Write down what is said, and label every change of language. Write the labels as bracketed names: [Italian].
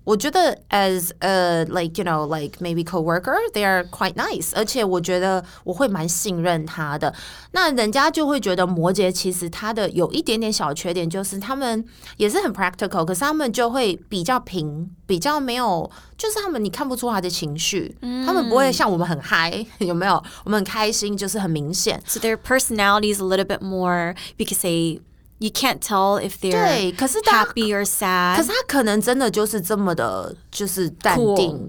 [Chinese] 我觉得 [English] as a, like, you know, like maybe co-worker, they are quite nice. [Chinese] 而且我觉得我会蛮信任她的。那人家就会觉得摩羯其实她的有一点点小缺点就是他们也是很 practical, 可是他们就会比较平。比较没有，就是他们你看不出他的情绪、他们不会像我们很嗨，有没有？我们很开心，就是很明显。 [English] So their personality is a little bit more because they you can't tell if they're [Chinese] 对，可是 [English] happy or sad。 [Chinese] 可是他可能真的就是这么的，就是淡定。